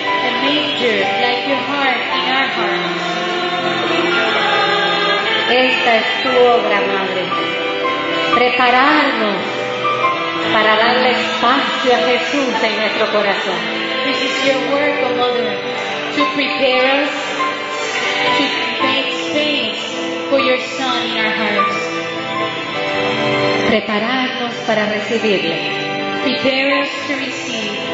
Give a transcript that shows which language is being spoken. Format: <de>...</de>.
<en>A manger like your heart in our hearts.</en> <es>Esta es tu obra, Madre. Prepararnos para darle espacio a Jesús en nuestro corazón.</es> <en>This is your work, O Mother, to prepare us to make space for your Son in our hearts.</en> <es>Prepararnos para recibirle.</es> <en>Prepare us to receive.</en>